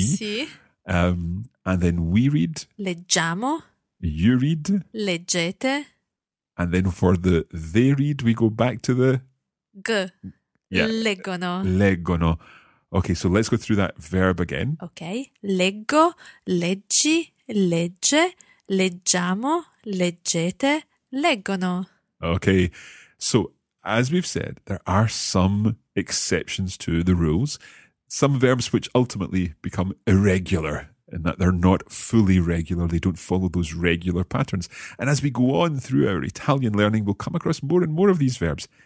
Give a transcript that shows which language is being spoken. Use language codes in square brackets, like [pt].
[it] Sì. [en] And then we read? [it] Leggiamo. [en] You read? [it] Leggete. [en] And then for the they read, we go back to the? [it] G. Yeah. Leggono. Leggono. [en] Okay, so let's go through that verb again. Okay. [it] Leggo, leggi, legge, leggiamo, leggete, leggono. [en] Okay. So, as we've said, there are some exceptions to the rules. Some verbs which ultimately become irregular in that they're not fully regular. They don't follow those regular patterns. And as we go on through our Italian learning, we'll come across more and more of these verbs.